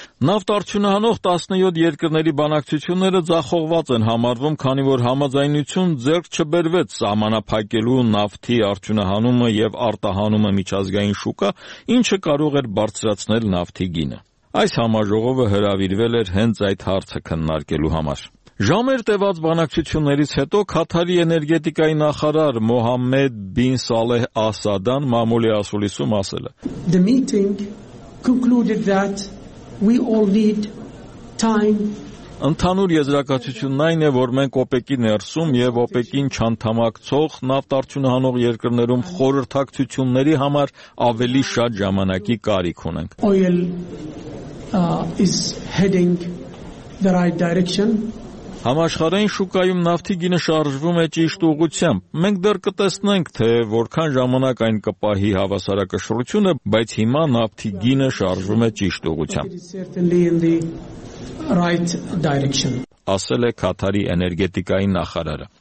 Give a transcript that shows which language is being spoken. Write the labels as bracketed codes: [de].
[hy] Նավթ արդյունահանող 17 երկրների բանակցությունները ձախողված են համարվում, քանի որ համաձայնություն ձեռք չբերվեց սահմանափակելու նավթի արդյունահանումը և արտահանումը միջազգային շուկա, ինչը կարող էր բարձրացնել նավթի գինը։ Այս համաժողովը հրավիրվել էր հենց այդ հարցը քննարկելու համար։ Ժամեր տևած բանակցություններից հետո Քաթարի էներգետիկայի նախարար Մոհամեդ բին Սալեհ Ասադան մամուլի ասուլիսում ասել է. [en] The meeting concluded that we all need time. [hy] Ընդհանուր եզրակացությունն այն է, որ մենք ՕՊԵԿ-ի ներսում և ՕՊԵԿ-ին չանդամակցող նավթարդյունահանող երկրներում խորհրդակցությունների համար ավելի շատ ժամանակի կարիք ունենք։ [en] Oil is heading the right direction. [hy] Համաշխարհային շուկայում նավթի գինը շարժվում է ճիշտ ուղղությամբ։ Մենք դեռ կտեսնենք, թե որքան ժամանակ այն կպահի հավասարակշռությունը, բայց հիմա նավթի գինը շարժվում է ճիշտ ուղղությամբ, ասել է Քաթարի էներգետիկայի նախարարը։